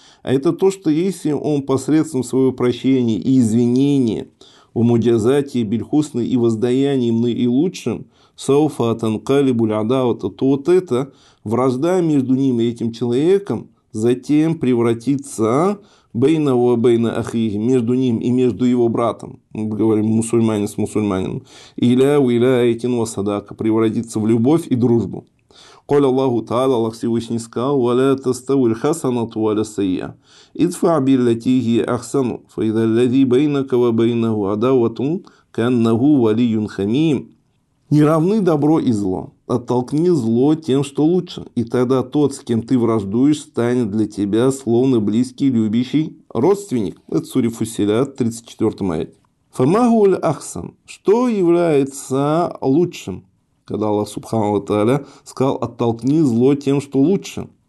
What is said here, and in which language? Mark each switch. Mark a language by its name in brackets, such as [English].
[Russian] А это то, что если он посредством своего прощения и извинения в муджазате бельхусны и воздаянием наилучшим [Arabic] сауфа танкалибуль адавата, [Russian] то вот это вражда между ним и этим человеком затем превратится [Arabic] бейна ва бейна ахихи, [Russian] между ним и между его братом, мы говорим мусульманин с мусульманином, [Arabic] иля ва иля айтин ва садака, [Russian] превратится в любовь и дружбу. [Arabic] قال الله تعالى الله [Russian] Всевышний сказал [Arabic] ولا تستوي الحسنة ولا السيئة ادفع بالتي هي أحسن فإذا الذي بينك وبينه عداوة كأنه ولي حميم. [Russian] Не равны добро и зло. Оттолкни зло тем, что лучше. И тогда тот, с кем ты враждуешь, станет для тебя словно близкий, любящий родственник. Это сура Фусилят, 34 аят. [Arabic] فما هو الأحسن. [Russian] Что является лучшим? Когда Аллах Субхану ва Тааля сказал, оттолкни зло тем, что лучше.